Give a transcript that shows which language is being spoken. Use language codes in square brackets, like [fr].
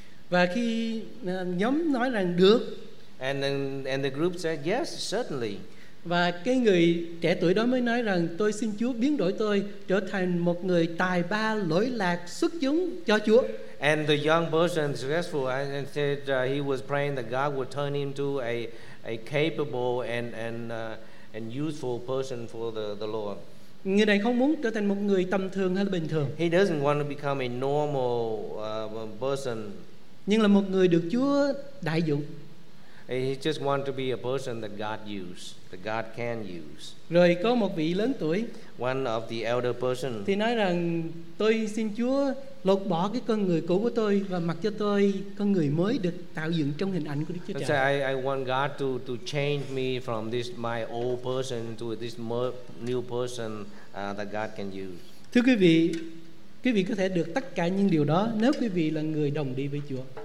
[vi] Và khi nhóm nói rằng được, [en] and the group said yes, certainly. [vi] Và cái người trẻ tuổi đó mới nói rằng tôi xin Chúa biến đổi tôi trở thành một người tài ba lỗi lạc xuất chúng cho Chúa. [en] And the young person successful and said he was praying that God would turn him to a capable and useful person for the Lord. [vi] Người này không muốn trở thành một người tầm thường hay là bình thường. [en] He doesn't want to become a normal person. [vi] Nhưng là một người được Chúa đại dụng. [en] He just want to be a person that God use, that God can use. [vi] Rồi có một vị lớn tuổi, [en] one of the elder person, [vi] thì nói rằng tôi xin Chúa lột bỏ cái con người cũ của tôi và mặc cho tôi con người mới được tạo dựng trong hình ảnh của Đức Chúa Trời. [en] So I want God to change me from this my old person to this new person that God can use. [vi] Thưa quý vị, quý vị có thể được tất cả những điều đó nếu quý vị là người đồng đi với Chúa.